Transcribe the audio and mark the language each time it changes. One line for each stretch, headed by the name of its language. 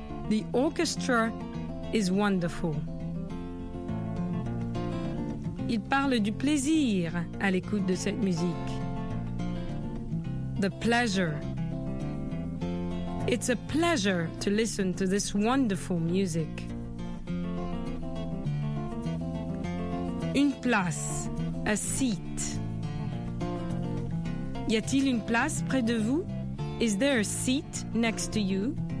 English: The orchestra is wonderful.
French: Il parle du plaisir à l'écoute de cette musique.
English: The pleasure. It's a pleasure to listen to this wonderful music.
French: Une place.
English: A seat.
French: Y a-t-il une place près de vous?
English: Is there a seat next to you?